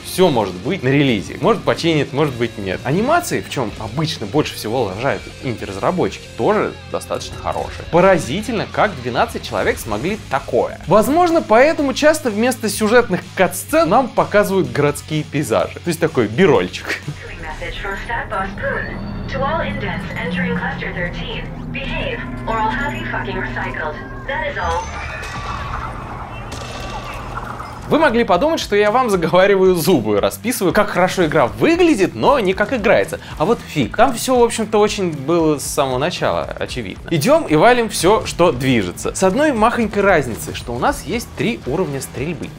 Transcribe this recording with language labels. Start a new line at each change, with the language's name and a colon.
Russian: Все может быть на релизе. Может починит, может быть нет. Анимации, в чем обычно больше всего лажают инди-разработчики, тоже достаточно хорошие. Поразительно, как 12 человек смогли такое. Возможно, поэтому часто вместо сюжетных катсцен нам показывают городские пейзажи. То есть такой бирольчик.
English: To all indents entering cluster 13, behave, or I'll have you fucking recycled. That is all.
Russian: Вы могли подумать, что я вам заговариваю зубы, расписываю, как хорошо игра выглядит, но не как играется. А вот фиг. Там все, в общем-то, очень было с самого начала, очевидно. Идем и валим все, что движется. С одной махонькой разницей, что у нас есть три уровня стрельбы.